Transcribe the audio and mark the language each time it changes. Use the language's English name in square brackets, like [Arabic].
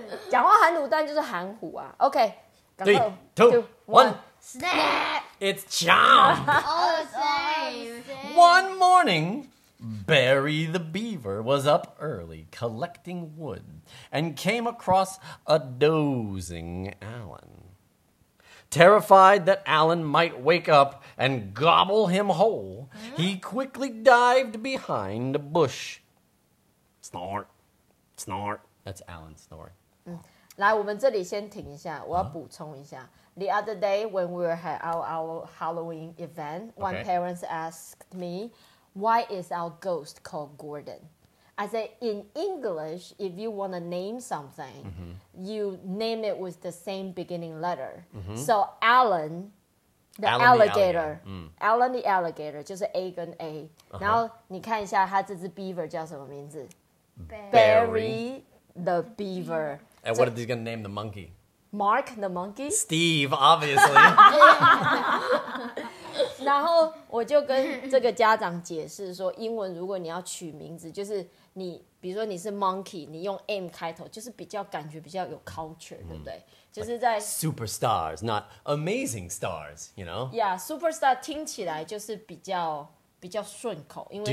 [Chinese] 讲话含卤蛋就是含糊啊。OK, 赶快, [English] 3, 2, 1, snap! It's Chomp! All the same! One morning, Barry the Beaver was up early collecting wood and came across a dozing Alan. Terrified that Alan might wake up and gobble him whole, he quickly dived behind a bush. Snort, snort. That's Alan snoring. [Chinese] 来，我们这里先停一下，我要补充一下。 [English] The other day when we were at our Halloween event, one parent asked me, why is our ghost called Gordon? I said, in English, if you want to name something, you name it with the same beginning letter. So Alan, the alligator. Alan the alligator, [Chinese] 就是 A 跟 A. 然后你看一下他这只beaver叫什么名字? [English] Barry the beaver. And what are they going to name the monkey? Mark the monkey? Steve, obviously. [Chinese] 然后我就跟这个家长解释说，英文如果你要取名字， 就是你，比如说你是monkey， 你用M开头， 就是比较感觉比较有culture， 对不对？就是在 [English] like superstars, not amazing stars, you know? [Chinese] Yeah, superstar 听起来就是比较顺口， 因为它，